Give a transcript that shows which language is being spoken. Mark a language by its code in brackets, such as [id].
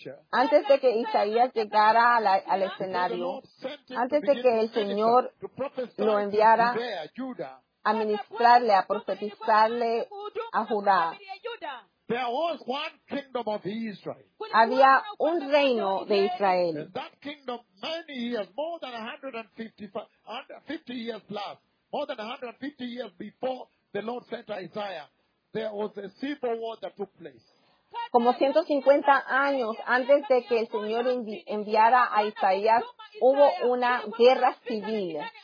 [es] Antes de que Isaías llegara al escenario, antes de que el Señor lo enviara a ministrarle, a profetizarle a Judá. [en] There was one kingdom of Israel. [es] Había un reino de Israel. [en] And that kingdom many years, more than 150 years plus, more than 150 years before the Lord sent Isaiah, there was a civil war that took place. [es] Como 150 años antes de que el Señor enviara a Isaías, hubo una guerra civil.